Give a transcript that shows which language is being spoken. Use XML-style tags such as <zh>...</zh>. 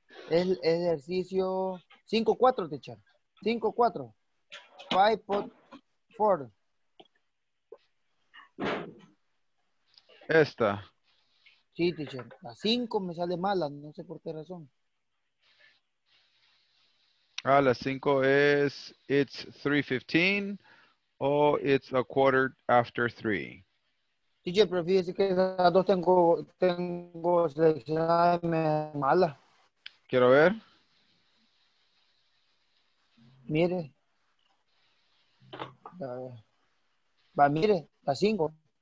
<es>El ejercicio 5-4, teacher. 5-4. 5-4. Esta. Sí, teacher. La 5 me sale mala, no sé por qué razón. Ah, la 5 es</es> <en>it's 3:15</en> <es>o</es> <en>it's a quarter after 3.</en> <es>Teacher, pero fíjese que las dos tengo seleccionada mala. Quiero ver. Mire. Va, mire, la 5.</es>